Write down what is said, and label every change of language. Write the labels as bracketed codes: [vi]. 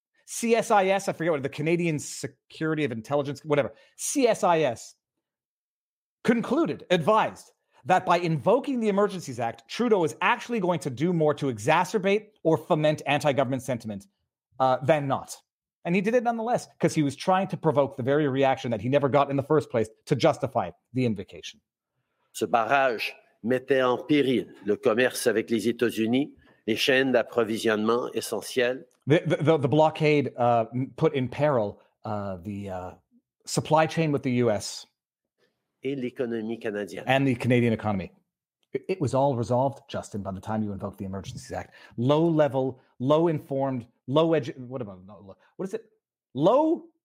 [en] CSIS, I forget what, the Canadian Security of Intelligence, whatever, CSIS advised that by invoking the Emergencies Act, Trudeau is actually going to do more to exacerbate or foment anti-government sentiment than not. And he did it nonetheless because he was trying to provoke the very reaction that he never got in the first place to justify the invocation. [fr] Ce barrage mettait en péril le commerce avec les États-Unis, les chaînes d'approvisionnement essentielles. [en] The blockade put in peril the supply chain with the U.S. [fr] Et l'économie canadienne. [en] And the Canadian economy. It was all resolved, Justin, by the time you invoked the Emergencies Act. Low-level, low-informed, low-edge... What about... What is it? Low...